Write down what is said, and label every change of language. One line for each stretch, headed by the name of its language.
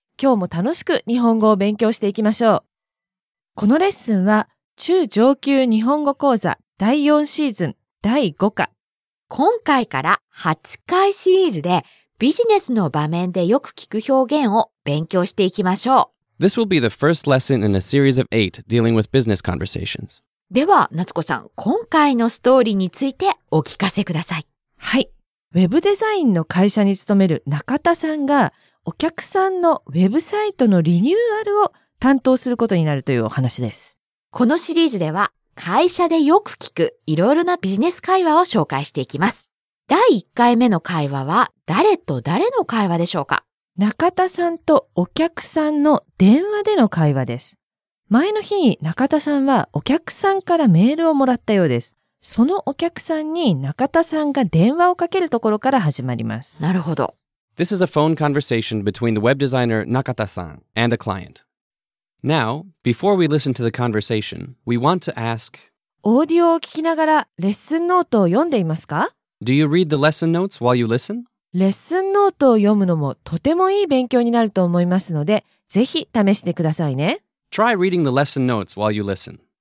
Japanese: 今日も楽しく日本語を勉強していきましょう。このレッスンは中上級日本語講座第4シーズン第5課。今回から8回シリーズでビジネスの場面でよく聞く表現を勉強していきましょう。
English: This will be the first lesson in a series of 8 dealing with business conversations.
Japanese: では、夏子さん、今回のストーリーについてお聞かせください。はい。ウェブデザインの会社に勤める中田さんが、お客さんのウェブサイトのリニューアルを担当することになるというお話です。このシリーズでは、会社でよく聞くいろいろなビジネス会話を紹介していきます。第1回目の会話は、誰と誰の会話でしょうか? 中田さんとお客さんの電話での会話です。前の日に中田さんはお客さんからメールをもらったようです。そのお客さんに中田さんが電話をかけるところから始まります。なるほど。
English: This is a phone conversation between the web designer Nakata-san and a client. Now, before we listen to the conversation, we want to ask...
Japanese: オーディオを聞きながらレッスンノートを読んでいますか?
English: Do you read the lesson notes while you listen?
Japanese: レッスンノートを読むのもとてもいい勉強になると思いますので、ぜひ試してくださいね。
English: Try reading the lesson notes while you listen.